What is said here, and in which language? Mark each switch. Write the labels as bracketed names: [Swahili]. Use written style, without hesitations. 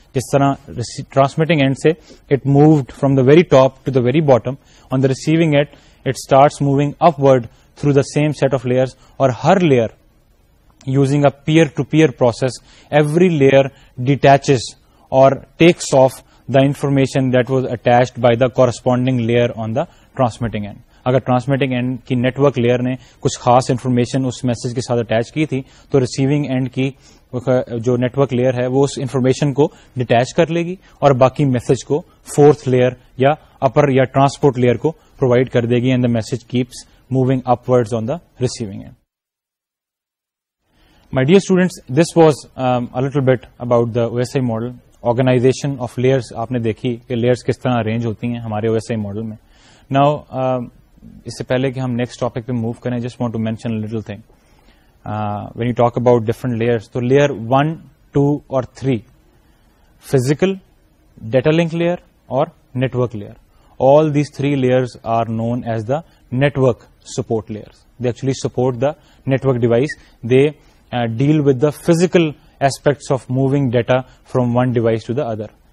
[Urdu] Jis tarah [English] transmitting end se it moved from the very top to the very bottom, on the receiving end it starts moving upward through the same set of layers, or her layer using a peer-to-peer process, every layer detaches or takes off the information that was attached by the corresponding layer on the transmitting end. [Urdu] اگر transmitting end کی net work layer نے کچھ خاص information اس message کے ساتھ attach کی تھی تو ریسیونگ اینڈ کی جو نیٹ ورک لیئر ہے وہ اس انفارمیشن کو ڈیٹیچ کر لے گی اور باقی میسج کو فورتھ لیئر یا اپر یا ٹرانسپورٹ لیئر کو پرووائڈ کر دے گی [English] And the message keeps moving upwards on the receiving end. My dear students, this was a little bit about the OSI model, organization of layers. [Urdu] آپ نے دیکھی کہ لیئرس کس طرح ارینج ہوتی ہیں ہمارے OSI model میں. Now, اس سے پہلے کہ ہم نیکسٹ ٹاپک پہ موو کریں, [English] just want to mention a little thing. When you talk about different layers, تو layer 1, 2 اور 3, physical, data link layer اور network layer. All these three layers are known as the network support layers. They actually support the network device. They deal with the physical aspects of moving data from one device to the other.